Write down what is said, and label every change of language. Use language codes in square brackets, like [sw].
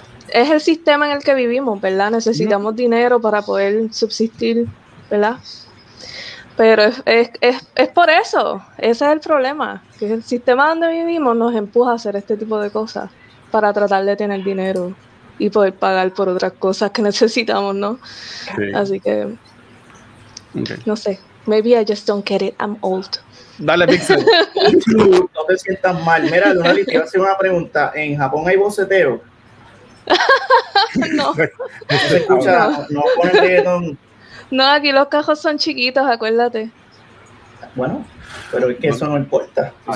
[es] Es el sistema en el que vivimos, ¿verdad? Necesitamos dinero para poder subsistir, ¿verdad? Pero es por eso, ese es el problema, que el sistema donde vivimos nos empuja a hacer este tipo de cosas para tratar de tener dinero y poder pagar por otras cosas que necesitamos, ¿no? Sí. Así que, [en] okay. [es] No sé, [en] maybe I just don't get it, I'm old. [es] Dale, Pixel. No te sientas mal. Mira, Lunali, te iba a hacer una pregunta. ¿En Japón hay boceteo? No. ¿No se escucha? ¿No ponen reggaetón? No, aquí los cajos son chiquitos, acuérdate. Bueno, pero es que eso no importa.